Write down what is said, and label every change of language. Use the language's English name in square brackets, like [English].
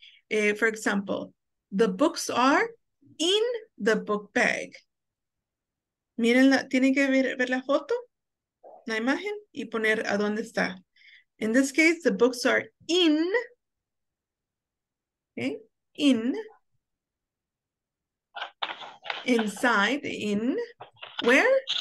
[English] For example, the books are in the book bag. [Spanish] Miren, tienen que ver la foto, la imagen, y poner a dónde está. [English] In this case, the books are in, okay, in, inside, in, where?